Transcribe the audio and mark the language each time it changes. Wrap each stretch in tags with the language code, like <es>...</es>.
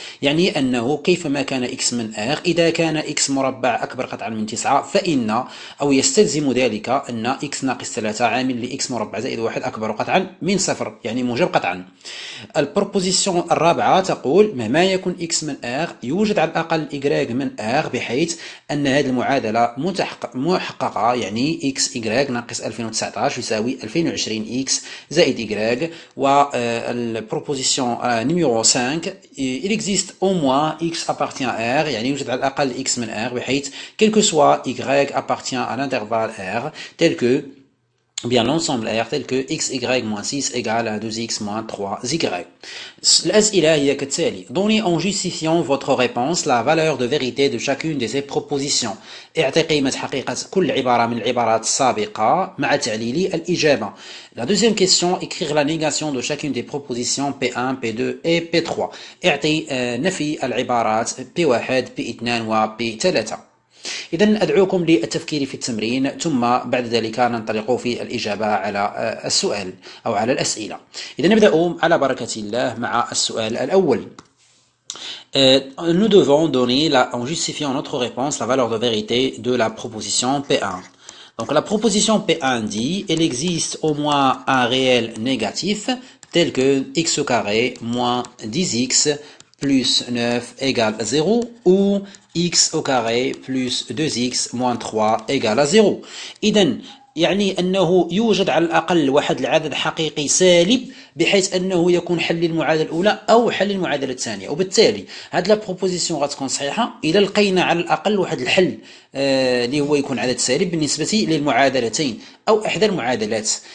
<ar>يعني أنه كيفما كان x من R، إذا كان x مربع أكبر قطعا من 9، فإن أو يستلزم ذلك أن x ناقص 3 عامل لـ x مربع زائد 1 أكبر قطعا من 0، يعني موجب قطعا. البروبوزيسيون الرابعة تقول مهما يكون x من R، يوجد على الأقل y من R، بحيث أن هذه المعادلة محققة، يعني x y ناقص 2019 يساوي 2020 x زائد y.</ar> <fr>والبروبوزيسيون نيميرو 5، il existe au moins x appartient à R،</fr> <ar>يعني يوجد على الأقل x من R، بحيث</ar> <fr>quel que soit y appartient à l'intervalle R tel que bien l'ensemble R tel que x y moins 6 égale à 2x moins 3y. L'asile est que telle. Donnez en justifiant votre réponse la valeur de vérité de chacune de ces propositions.</fr> <ar>اعطي قيمة حقيقة كل عبارة من العبارات السابقة مع تعليل الإجابة.</ar> <fr>La deuxième question, écrire la négation de chacune des propositions P1, P2 et P3.</fr> <ar>اعطي نفي العبارات P1, P2 و P3. إذا أدعوكم للتفكير في التمرين، ثم بعد ذلك ننطلق في الإجابة على السؤال أو على الأسئلة. إذا نبدأ على بركة الله مع السؤال الأول.</ar> <fr>Nous devons donner la, en justifiant notre réponse la valeur de vérité de la proposition P1. Donc la proposition P1 dit il existe au moins un réel négatif tel que x au carré moins 10x plus 9 égale 0 ou x au carré plus 2x moins 3 égale à 0.</fr> <ar>إذن يعني أنه يوجد على الأقل واحد العدد حقيقي سالب، بحيث أنه يكون حل المعادلة الأولى أو حل المعادلة الثانية، وبالتالي هاد لا بروبوزيسيون غتكون صحيحة إذا لقينا على الأقل واحد الحل اللي هو يكون عدد سالب بالنسبة للمعادلتين أو إحدى المعادلات.</ar>